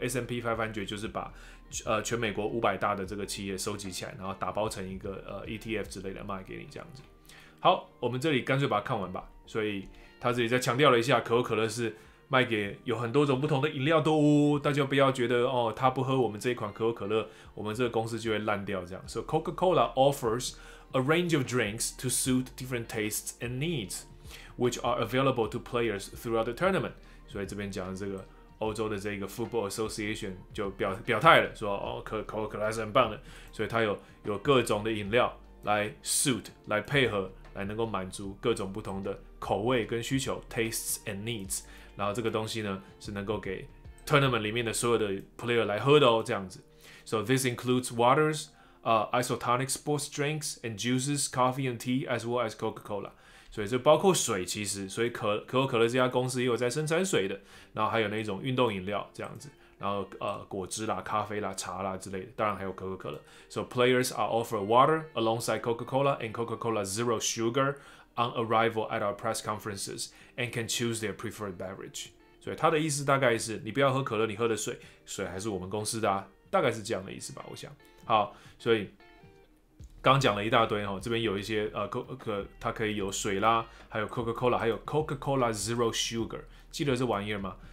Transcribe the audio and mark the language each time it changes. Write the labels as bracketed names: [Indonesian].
[Chinese] S&P 500就是把全美国500大的这个企业收集起来，然后打包成一个ETF 之类的卖给你这样子。好，我们这里干脆把它看完吧。所以他自己再强调了一下，可口可乐是卖给有很多种不同的饮料都，大家不要觉得哦，他不喝我们这一款可口可乐，我们这个公司就会烂掉这样。 [English] So Coca-Cola offers a range of drinks to suit different tastes and needs, which are available to players throughout the tournament. [Chinese] 所以这边讲的这个欧洲的这个 Football Association 就表态了，说哦，可口可乐是很棒的，所以他有各种的饮料来 suit 来配合，来能够满足各种不同的口味跟需求 [English] tastes and needs。 [Chinese] 然后这个东西呢是能够给 tournament 里面的所有的 player 来喝的哦，这样子。 [English] So this includes waters, isotonic sports drinks and juices, coffee and tea, as well as Coca-Cola. [Chinese] 所以这包括水，其实所以可口可乐这家公司也有在生产水的。然后还有那种运动饮料这样子，然后果汁啦、咖啡啦、茶啦之类的，当然还有可口可乐。 [English] So players are offered water alongside Coca-Cola and Coca-Cola Zero Sugar. On arrival at our press conferences, and can choose their preferred beverage. [Chinese] 所以他的意思大概是，你不要喝可乐，你喝的水，水还是我们公司的啊，大概是这样的意思吧，我想。好，所以刚讲了一大堆哈，这边有一些它可以有水啦，还有 Coca-Cola， 还有 Coca-Cola Zero Sugar， 记得这玩意儿吗？